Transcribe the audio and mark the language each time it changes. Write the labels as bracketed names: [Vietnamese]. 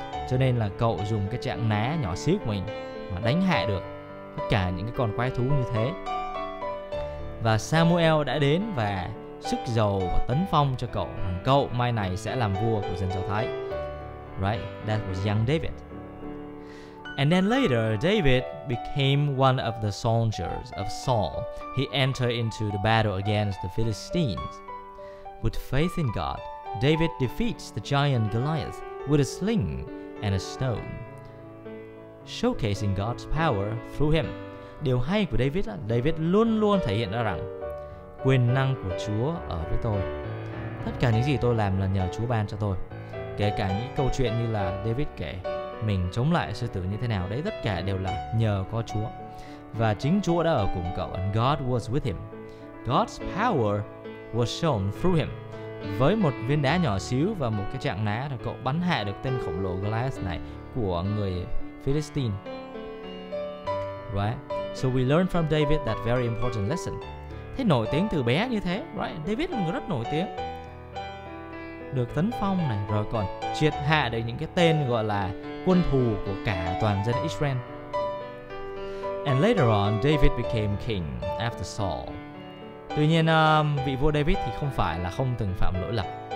[Vietnamese] Cho nên là cậu dùng cái trạng ná nhỏ xíu của mình mà đánh hạ được tất cả những cái con quái thú như thế. Và Samuel đã đến và sức dầu và tấn phong cho cậu rằng cậu mai này sẽ làm vua của dân Do Thái. [English] Right, that was young David. And then later, David became one of the soldiers of Saul. He entered into the battle against the Philistines. With faith in God, David defeats the giant Goliath with a sling and a stone, showcasing God's power through him. [Vietnamese] Điều hay của David là David luôn luôn thể hiện ra rằng quyền năng của Chúa ở với tôi. Tất cả những gì tôi làm là nhờ Chúa ban cho tôi. Kể cả những câu chuyện như là David kể mình chống lại sư tử như thế nào, đấy tất cả đều là nhờ có Chúa. Và chính Chúa đã ở cùng cậu. And God was with him. God's power was shown through him. Với một viên đá nhỏ xíu và một cái trạng ná, thì cậu bắn hạ được tên khổng lồ Goliath này của người Philistine. [English] Right? So we learn from David that very important lesson. [Vietnamese] Thế nổi tiếng từ bé như thế, right? David là người rất nổi tiếng, được tấn phong này, rồi còn triệt hạ được những cái tên gọi là quân thù của cả toàn dân Israel. [English] And later on, David became king after Saul. [Vietnamese] Tuy nhiên, vị vua David thì không phải là không từng phạm lỗi lầm.